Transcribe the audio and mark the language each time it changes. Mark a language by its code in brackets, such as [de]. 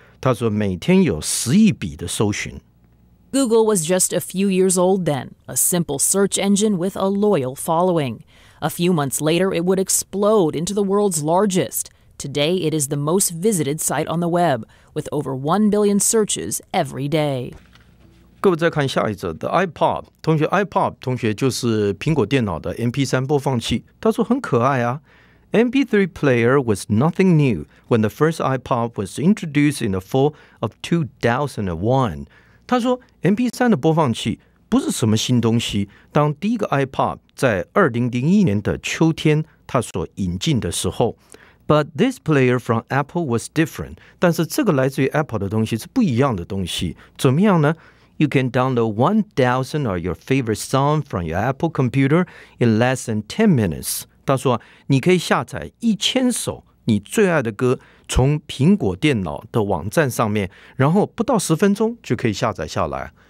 [zh] 他说每天有十亿笔的搜寻。 [en] Google was just a few years old then, a simple search engine with a loyal following. A few months later, it would explode into the world's largest. Today, it is the most visited site on the web, with over 1 billion searches every day. [zh] 各位再看下一则 ，The iPod， 同学 ，iPod， 同学就是苹果电脑的 MP3 播放器。他说很可爱啊。 [en] MP3 player was nothing new when the first iPod was introduced in the fall of 2001. [zh] 他说 MP3 的播放器不是什么新东西，当第一个 iPod 在2001年的秋天他所引进的时候。 [en] But this player from Apple was different. [zh] 但是这个来自于 Apple 的东西是不一样的东西。怎么样呢？ [en] You can download 1,000 of your favorite song from your Apple computer in less than 10 minutes. [zh] 他说，你可以下载1000首你最爱的歌从苹果电脑的网站上面，然后不到10分钟就可以下载下来。